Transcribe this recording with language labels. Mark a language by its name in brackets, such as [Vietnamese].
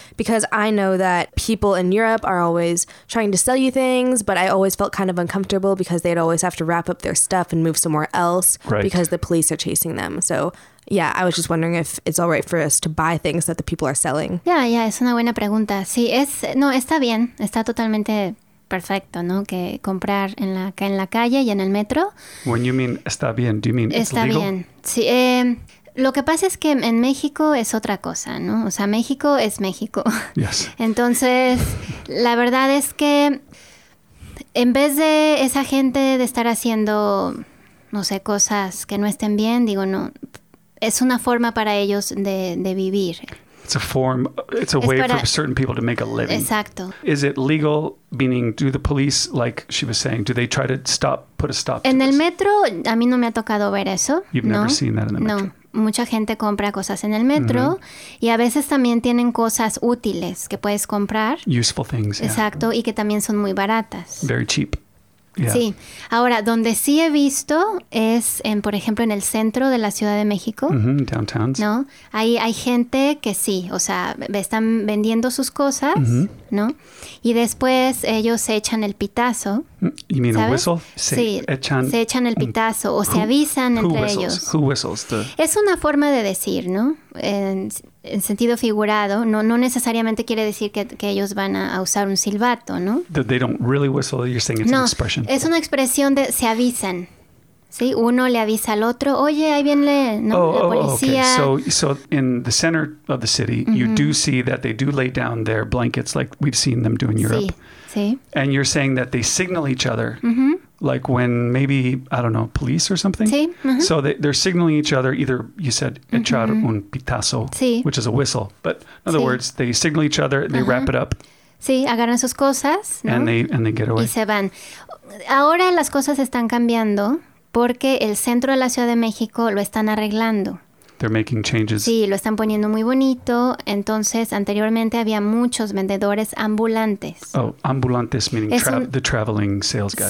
[English] Because I know that people in Europe are always trying to sell you things, but I always felt kind of uncomfortable because they'd always have to wrap up their stuff and move somewhere else because the police are chasing them. So yeah, I was just wondering if it's all right for us to buy things that the people are selling. [Spanish] Yeah, yeah, es una buena pregunta. Sí, es, no, está bien, está totalmente perfecto, ¿no? Que comprar en la, acá en la calle y en el metro. [English] When you mean [Spanish] está bien, [English] do you mean [Spanish] está [English] it's legal? [Spanish] Está bien, sí. Lo que pasa es que en México es otra cosa, ¿no? O sea, México es México. [English] Yes. [Spanish] Entonces, la verdad es que en vez de esa gente de estar haciendo, no sé, cosas que no estén bien, digo, no, es una forma para ellos de vivir. [English] It's a form, it's a es way para, for certain people to make a living. [Spanish] Exacto. [English] Is it legal, meaning do the police, like she was saying, do they try to stop, put a stop to this? En [Spanish] el metro, a mí no me ha tocado ver eso. [English] You've never seen that in the metro. [Spanish] No, mucha gente compra cosas en el metro y a veces también tienen cosas útiles que puedes comprar. [English] Useful things, [Spanish] exacto, [English] yeah. [Spanish] Y que también son muy baratas. [English] Very cheap. Yeah. [Spanish] Sí. Ahora, donde sí he visto es, en, por ejemplo, en el centro de la Ciudad de México. [English] Downtowns. [Spanish] ¿No? Ahí hay gente que sí, o sea, están vendiendo sus cosas, ¿no? Y después ellos se echan el pitazo. [English] You mean [Spanish] ¿sabes? [English] A whistle? [Spanish] Se echan el pitazo o se avisan entre ellos. [English] Who whistles? [Spanish] Es una forma de decir, ¿no? En sentido figurado, no necesariamente quiere decir que ellos van a usar un silbato, ¿no? [English] That they don't really whistle, you're saying it's [Spanish] no, [English] an expression. [Spanish] Es una expresión de se avisan, ¿sí? Uno le avisa al otro, oye, ahí viene ¿no? Oh, la policía. [English] Oh, okay. So in the center of the city, you do see that they do lay down their blankets like we've seen them do in Europe. [Spanish] Sí. [English] And you're saying that they signal each other. Like when maybe, I don't know, police or something? [Spanish] Sí. [English] So they're signaling each other, either you said [Spanish] echar un pitazo, sí. [English] Which is a whistle. But in other words, they signal each other, they wrap it up. [Spanish] Sí, agarran sus cosas, ¿no? [English] And they get away. [Spanish] Y se van. Ahora las cosas están cambiando porque el centro de la Ciudad de México lo están arreglando. [English] They're making changes. [Spanish] Sí, lo están poniendo muy bonito. Entonces, anteriormente había muchos vendedores ambulantes. [English] Oh, ambulantes meaning the traveling sales guys.